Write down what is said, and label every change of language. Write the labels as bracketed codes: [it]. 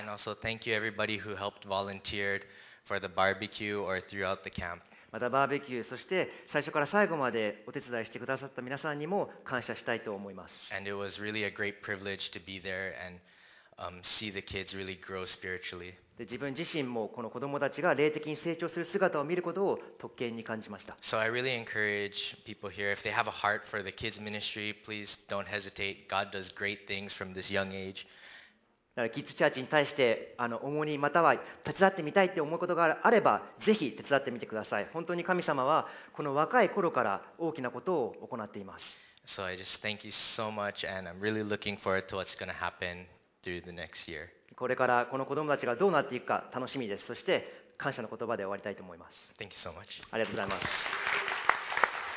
[en] And also thank you everybody who helped volunteered for the barbecue or throughout the camp. [ja] またバーベキュー、そして最初から最後までお手伝いしてくださった皆さんにも感謝したいと思います。 [en] And it was really a great privilege to be there and see the kids really grow spiritually. [ja] で自分自身もこの子供たちが霊的に成長する姿を見ることを特権に感じました。 [en] So I really encourage people here, if they have a heart for the kids ministry, please don't hesitate. God does great things from this young age. [ja] だからキッズチャーチに対して重荷または手伝ってみたいって思うことがあれば、ぜひ手伝ってみてください。本当に神様はこの若い頃から大きなことを行っています。 [en] So I just thank you so much and I'm really looking forward to what's going to happen through the next year. [ja] これからこの子供たちがどうなっていくか楽しみです。そして感謝の言葉で終わりたいと思います。 [en] Thank you so much. [ja] ありがとうございます。